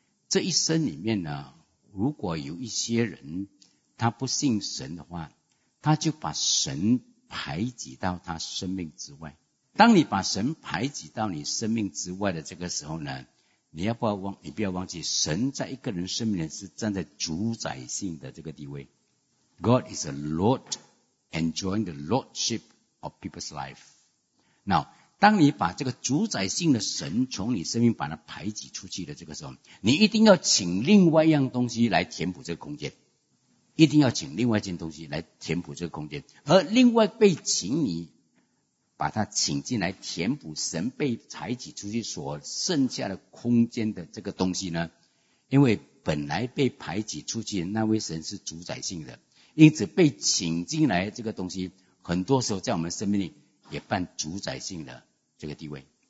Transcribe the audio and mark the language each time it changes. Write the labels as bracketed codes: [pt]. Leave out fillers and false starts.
[zh] 这一生里面呢，如果有一些人他不信神的话，他就把神排挤到他生命之外。当你把神排挤到你生命之外的这个时候呢，你不要忘记，神在一个人生命里是站在主宰性的这个地位。 [en] God is a Lord, enjoying the lordship of people's life. Now, [zh] 当你把这个主宰性的神从你生命把它排挤出去的这个时候，你一定要请另外一样东西来填补这个空间，一定要请另外一件东西来填补这个空间。而另外被请你把它请进来填补神被排挤出去所剩下的空间的这个东西呢，因为本来被排挤出去的那位神是主宰性的，因此被请进来这个东西很多时候在我们生命里也扮主宰性的这个地位。